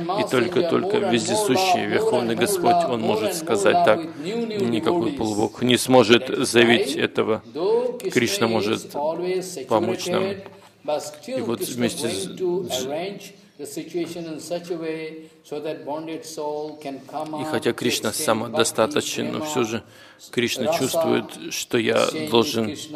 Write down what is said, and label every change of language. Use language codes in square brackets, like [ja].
[ru] И только вездесущий Верховный Господь, он может сказать так, никакой полубог не сможет заявить этого, Кришна может помочь нам. [en] But still, Krishna is going to arrange the situation in such a way so that bonded soul can come out. [ru] И хотя Кришна самодостаточен, но все же Кришна чувствует, что я должен.